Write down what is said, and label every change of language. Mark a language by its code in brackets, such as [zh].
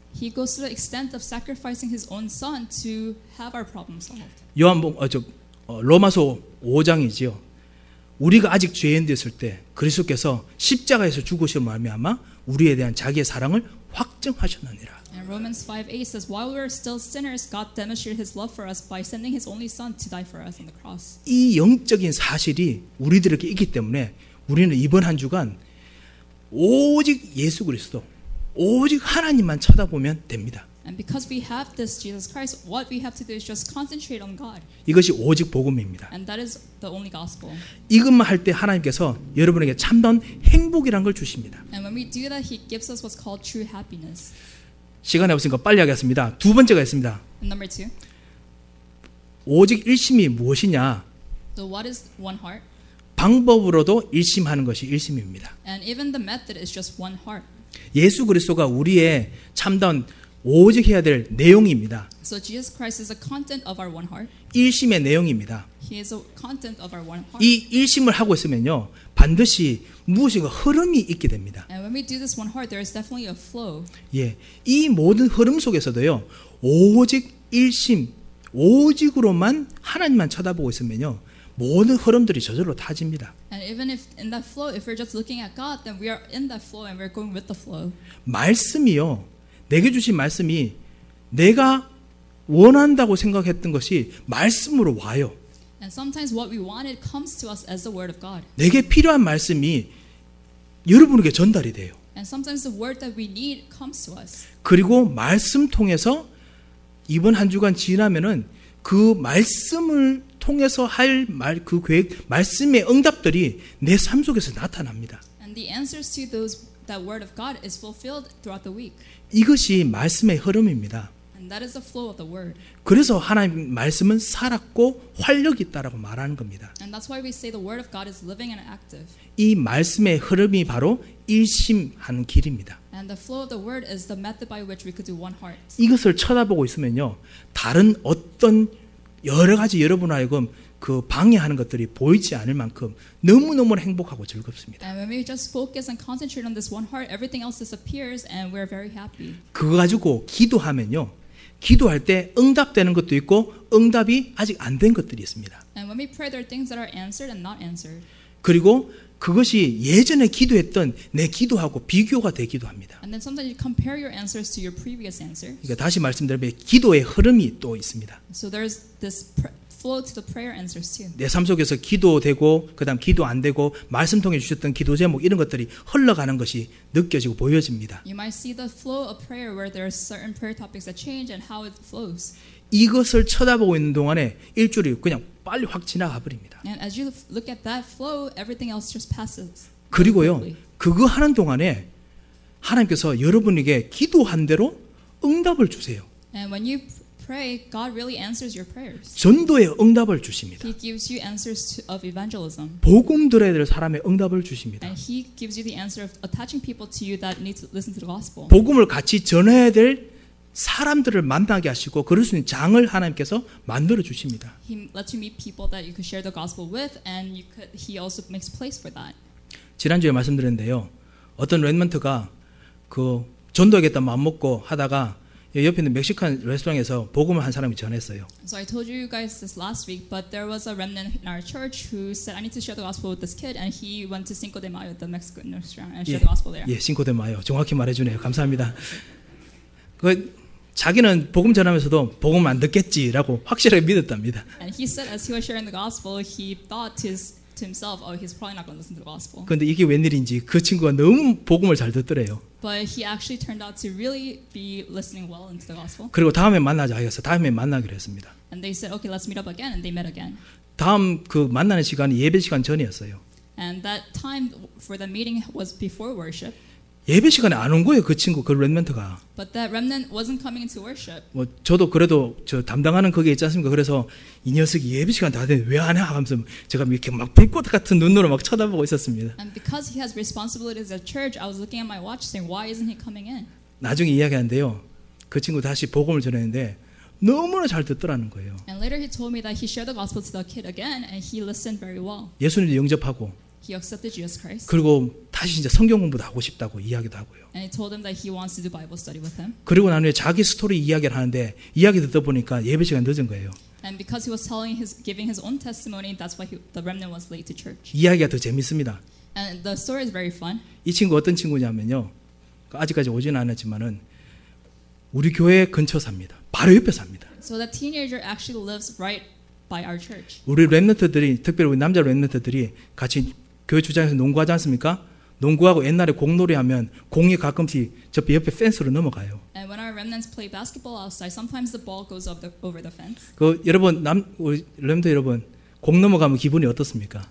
[en] He goes to the extent of sacrificing his own son to have our problems solved. [ko] 로마서 5장이지요. 우리가 아직 죄인되었을 때 그리스도께서 십자가에서 죽으신 말미암아 우리에 대한 자기의 사랑을 확증하셨느니라. [en] And Romans 5:8 says, while we were still sinners, God demonstrated His love for us by sending His only Son to die for us on the cross. [ko] 이 영적인 사실이 우리들에게 있기 때문에 우리는 이번 한 주간 오직 예수 그리스도, 오직 하나님만 쳐다보면 됩니다. [en] And because we have this Jesus Christ, what we have to do is just concentrate on God. [ko] 이것이 오직 복음입니다. [en] And that is the only gospel. [ko] 이것만 할 때 하나님께서 여러분에게 참된 행복이란 걸 주십니다. [en] And when we do that, He gives us what's called true happiness. [ko] 시간이 없으니까 빨리 하겠습니다. 두 번째가 있습니다. [en] And number two. [ko] 오직 일심이 무엇이냐? [en] So what is one heart? [ko] 방법으로도 일심하는 것이 일심입니다. [en] And even the method is just one heart. [ko] 예수 그리스도가 우리의 참된 오직 해야 될 내용입니다. [en] So Jesus Christ is a content of our one heart. [ko] 일심의 내용입니다. [en] He is a content of our one heart. [ko] 이 일심을 하고 있으면요, 반드시 무엇인가 흐름이 있게 됩니다. [en] And when we do this one heart, there is definitely a flow. [ko] 예, 이 모든 흐름 속에서도요, 오직 일심, 오직으로만 하나님만 쳐다보고 있으면요, 모든 흐름들이 저절로 타집니다. [en] And even if in that flow, if we're just looking at God, then we are in that flow and we're going with the flow. [ko] 말씀이요. 내게 주신 말씀이 내가 원한다고 생각했던 것이 말씀으로 와요. [en] And sometimes what we wanted comes to us as the word of God. [ko] 내게 필요한 말씀이 여러분에게 전달이 돼요. [en] And sometimes the word that we need comes to us. [ko] 그리고 말씀 통해서 이번 한 주간 지나면은 그 말씀을 통해서 할 말 그 계획 말씀의 응답들이 내 삶 속에서 나타납니다. [en] And the answers to those that word of God is fulfilled throughout the week. [ko] 이것이 말씀의 흐름입니다. [en] And that is the flow of the word. [ko] 그래서 하나님 말씀은 살았고 활력이 있다라고 말하는 겁니다. [en] And that's why we say the word of God is living and active. [ko] 이 말씀의 흐름이 바로 일심하는 길입니다. [en] And the flow of the word is the method by which we could do one heart. [ko] 이것을 쳐다보고 있으면요, 다른 어떤 여러 가지 여러분을 알고는 그 방해하는 것들이 보이지 않을 만큼 너무너무 행복하고 즐겁습니다. [en] And when we just focus and concentrate on this one heart, everything else disappears and we're very happy. [ko] 그거 가지고 기도하면요, 기도할 때 응답되는 것도 있고 응답이 아직 안 된 것들이 있습니다. [en] And when we pray, there are things that are answered and not answered. [ko] 그리고 그것이 예전에 기도했던 내 기도하고 비교가 되기도 합니다. [en] And then sometimes you compare your answers to your previous answer. [ko] 그러니까 다시 말씀드리면 기도의 흐름이 또 있습니다. [en] So there's this flow to the prayer answers too. [ko] 내 삶 속에서 기도되고 그다음 기도 안 되고 말씀 통해 주셨던 기도 제목 이런 것들이 흘러가는 것이 느껴지고 보여집니다. [en] You might see the flow of prayer where there are certain prayer topics that change and how it flows. [ko] 이것을 쳐다보고 있는 동안에 일주일이 그냥 빨리 확 지나가 버립니다. [en] And as you look at that flow, everything else just passes. [ko] 그리고요, 그거 하는 동안에 하나님께서 여러분에게 기도한 대로 응답을 주세요. [en] And when you pray, God really answers your prayers. [ko] 전도의 응답을 주십니다. [en] He gives you answers of evangelism. [ko] 복음 들어야 될 사람의 응답을 주십니다. [en] And he gives you the answer of attaching people to you that need to listen to the gospel. [ko] 복음을 같이 전해야 될 사람들을 만나게 하시고 그럴 수 있는 장을 하나님께서 만들어 주십니다. [en] He lets you meet people that you could share the gospel with, and you could, he also makes place for that. [ko] 지난주에 말씀드렸는데요, 어떤 렘넌트가 그 전도하겠다 마음 먹고 하다가 옆에 있는 멕시칸 레스토랑에서 복음을 한 사람이 전했어요. [en] So I told you guys this last week, but there was a remnant in our church who said, "I need to share the gospel with this kid," and he went to Cinco de Mayo, the Mexican restaurant, and shared the gospel there. [ko] 예, Cinco de Mayo. 정확히 말해주네요. 감사합니다. 그 자기는 복음 전하면서도 복음 안 듣겠지라고 확실하게 믿었답니다. [en] And he said as he was sharing the gospel, he thought to himself, "Oh, he's probably not going to listen to the gospel." [ko] 그런데 이게 웬일인지 그 친구가 너무 복음을 잘 듣더래요. [en] But he actually turned out to really be listening well into the gospel. [ko] 그리고 다음에 만나자 해서 다음에 만나기로 했습니다. [en] And they said, "Okay, let's meet up again," and they met again. [ko] 다음 그 만나는 시간이 예배 시간 전이었어요. [en] And that time for the meeting was before worship. [ko] 예배 시간에 안 온 거예요, 그 친구, 그 렘넌트가. [en] But that remnant wasn't coming into worship. [ko] 뭐 저도 그래도 저 담당하는 거기에 있지 않습니까? 그래서 이 녀석이 예배 시간 다 됐는데 왜 안 해? 하면서 제가 이렇게 막 불꽃 같은 눈으로 막 쳐다보고 있었습니다. [en] And because he has responsibilities at church, I was looking at my watch saying, "Why isn't he coming in?" [ko] 나중에 이야기한대요. 그 친구 다시 복음을 전했는데 너무나 잘 듣더라는 거예요. [en] And later he told me that he shared the gospel to the kid again and he listened very well. [ko] 예수님도 영접하고 [en] He accepted Jesus Christ. [ko] 그리고 다시 이제 성경 공부도 하고 싶다고 이야기도 하고요. [en] And he told him that he wants to do Bible study with him. [ko] 그리고 나중에 자기 스토리 이야기를 하는데 이야기 듣다 보니까 예배 시간 늦은 거예요. [en] And because he was telling his giving his own testimony, that's why the remnant was late to church. [ko] 이야기가 더 재밌습니다. [en] And the story is very fun. [ko] 이 친구 어떤 친구냐면요, 아직까지 오지는 않았지만은 우리 교회 근처 삽니다. 바로 옆에 삽니다. [en] So that teenager actually lives right by our church. [ko] 우리 렘넌트들이 특별히 우리 남자 렘넌트들이 같이 교회 주장에서 농구하지 않습니까? 농구하고 옛날에 공놀이 하면 공이 가끔씩 저 옆에 펜스로 넘어가요. [en] And when our remnants play basketball outside, sometimes the ball goes up the, over the fence. [ko] 그 여러분 남 우리 렘넌트 여러분 공 넘어가면 기분이 어떻습니까?